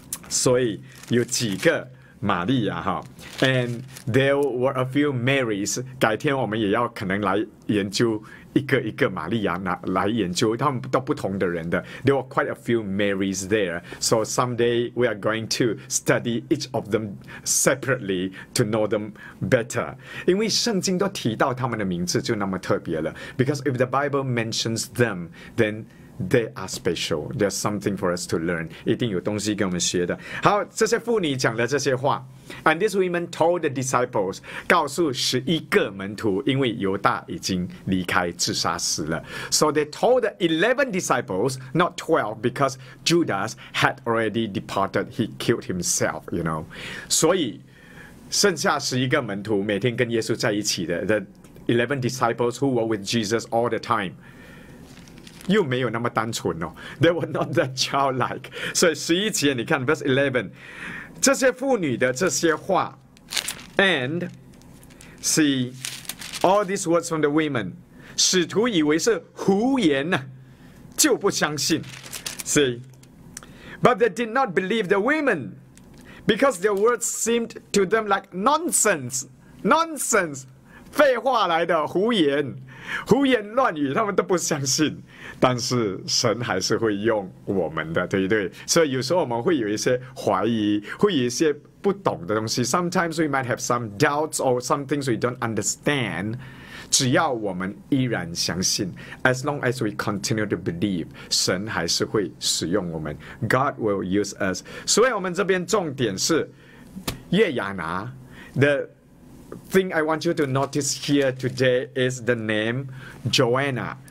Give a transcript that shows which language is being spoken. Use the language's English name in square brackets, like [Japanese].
[Chinese] 所以有几个玛利亚 [English] and there were a few Marys, [Chinese] 改天我们也要可能来研究一个一个玛利亚来研究，他们都不同的人的。 [English] There were quite a few Marys there, so someday we are going to study each of them separately to know them better. [Chinese] 因为圣经都提到他们的名字就那么特别了。 [English] Because if the Bible mentions them, then they are special. There's something for us to learn. [Chinese] 一定有东西给我们学的。好，这些妇女讲的这些话。 [English] And these women told the disciples, [Chinese] 告诉十一个门徒，因为犹大已经离开自杀死了。 [English] So they told the 11 disciples, not 12, because Judas had already departed, he killed himself, you know. [Chinese] 所以剩下十一个门徒每天跟耶稣在一起的 [English] the 11 disciples who were with Jesus all the time, [Chinese] 又没有那么单纯哦 ， [English] They were not that childlike。 [Chinese] 所以十一节，你看 verse 11， 这些妇女的这些话 ， [English] and see all these words from the women， [Chinese] 使徒以为是胡言呐，就不相信。 [English] See， but they did not believe the women because their words seemed to them like nonsense， nonsense， [Chinese] 废话来的，胡言。胡言乱语，他们都不相信，但是神还是会用我们的，对不对？所以有时候我们会有一些怀疑，会有一些不懂的东西。 [English] Sometimes we might have some doubts or some things we don't understand. [Chinese] 只要我们依然相信 ， [English] as long as we continue to believe， [Chinese] 神还是会使用我们。 [English] God will use us. [Chinese] 所以我们这边重点是约亚拿的。 [English] Thing I want you to notice here today is the name Joanna.